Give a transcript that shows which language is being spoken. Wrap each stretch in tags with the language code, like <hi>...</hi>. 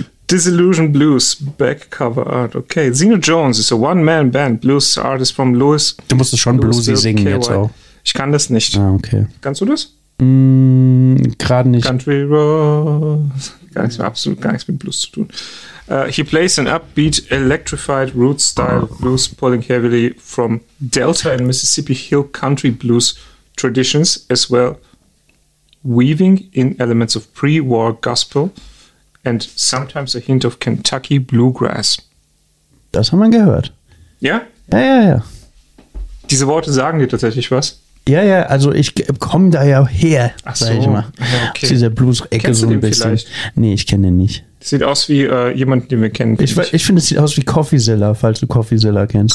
<en>Disillusion Blues, Backcover Art. Okay. Zeno Jones ist a One-Man-Band, Blues Artist from Louis.</en> <de>Du musst es schon bluesy singen jetzt auch. Ich kann das nicht. Ah, okay. Kannst du das? Gerade nicht. Country Roads. Gar nichts mehr, absolut gar nichts mit Blues zu tun.</de> <en>He plays an upbeat, electrified, root-style blues, pulling heavily from Delta and Mississippi Hill country blues traditions, as well weaving in elements of pre-war gospel and sometimes a hint of Kentucky bluegrass.</en> <de>Das haben wir gehört. Ja? Ja, ja, ja. Diese Worte sagen dir tatsächlich was? Ja, ja, also ich komme da ja her, sag ich mal. Ja, okay. Aus dieser Blues-Ecke so ein bisschen. Vielleicht? Nee, ich kenne den nicht. Sieht aus wie jemand, den wir kennen. Ich finde, es sieht aus wie CoffeeZilla, falls du CoffeeZilla kennst.</de>